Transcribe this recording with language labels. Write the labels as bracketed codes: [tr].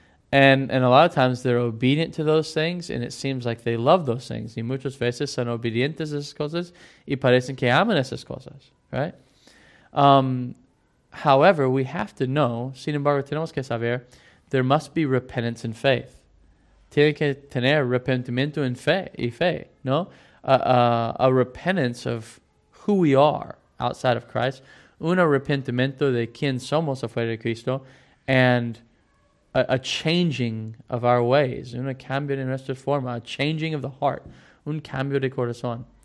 [en] And a lot of times they're obedient to those things, and it seems like they love those things. [es] Y muchas veces son obedientes a esas cosas, y parecen que aman esas cosas, right? [en] However, we have to know, [es] sin embargo, tenemos que saber, [en] there must be repentance and faith. [es] Tiene que tener arrepentimiento en fe, y fe, ¿no? [en] A repentance of who we are outside of Christ. [es] Un arrepentimiento de quién somos afuera de Cristo, [en] and a changing of our ways, [es] un cambio de nuestra forma, [en] a changing of the heart, [es] un cambio de corazón.